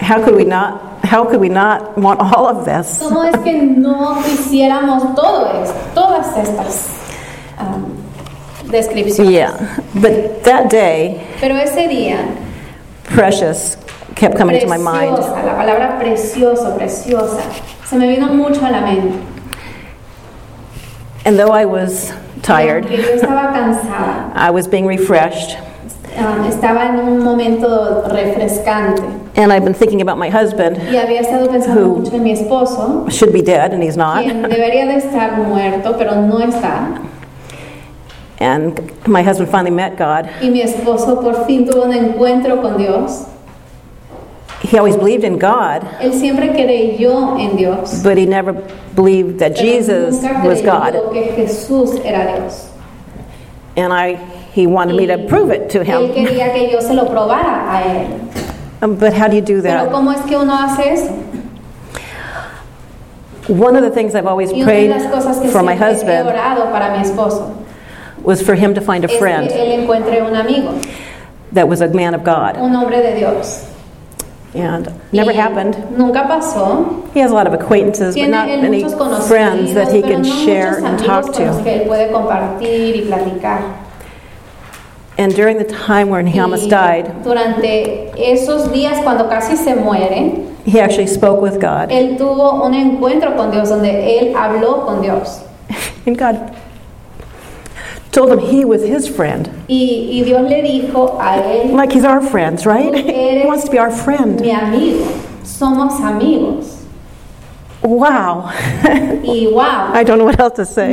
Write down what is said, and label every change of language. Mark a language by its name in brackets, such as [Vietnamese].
[English] how could we not want all of this? [Spanish] ¿Cómo es que no quisiéramos todo esto, todas estas descripciones? [English] Yeah, but that day, [Spanish] pero ese día, [English] precious kept coming [Spanish] preciosa, [English] to my mind. [Spanish] La palabra precioso, preciosa, se me vino mucho a la mente. [English] And though I was tired, [Spanish] yo estaba cansada, [English] I was being refreshed. [Spanish] estaba en un momento refrescante. [English] And I've been thinking about my husband, [Spanish] y había estado pensando [English] who [Spanish] mucho en mi esposo, [English] should be dead, and he's not. [Spanish] Quien debería de estar muerto, pero no está. [English] And my husband finally met God. [Spanish] Y mi esposo por fin tuvo un encuentro con Dios. [English] He always believed in God. [Spanish] Él siempre creyó en Dios. [English] But he never believed that [Spanish] pero [English] Jesus [Spanish] nunca creyó [English] was God. [Spanish] Que Jesús era Dios. [English] And he wanted me to prove it to him. [Spanish] Él quería que yo se lo probara a él. [English] But how do you do that? [Spanish] Pero ¿cómo es que uno hace eso? [English] One of the things I've always prayed for my husband [Spanish] he orado para mi esposo [English] was for him to find a friend [Spanish] que él encuentre un amigo [English] that was a man of God. [Spanish] Un hombre de Dios. [English] And never happened. [Spanish] Nunca pasó. [English] He has a lot of acquaintances, [Spanish] tiene [English] but not many friends that he can share and talk to. [Spanish] Que él puede compartir y platicar. [English] And during the time when he almost died, [Spanish] durante esos días cuando casi se muere, [English] he actually spoke with God. [Spanish] Él tuvo un encuentro con Dios donde él habló con Dios. [English] And God told him he was his friend. [Spanish] Y Dios le dijo a él, [English] like he's our friends, right? [Spanish] Eres [English] he wants to be our friend. [Spanish] Mi amigo. Somos amigos. [English] Wow. [Spanish] Y wow. [English] I don't know what else to say.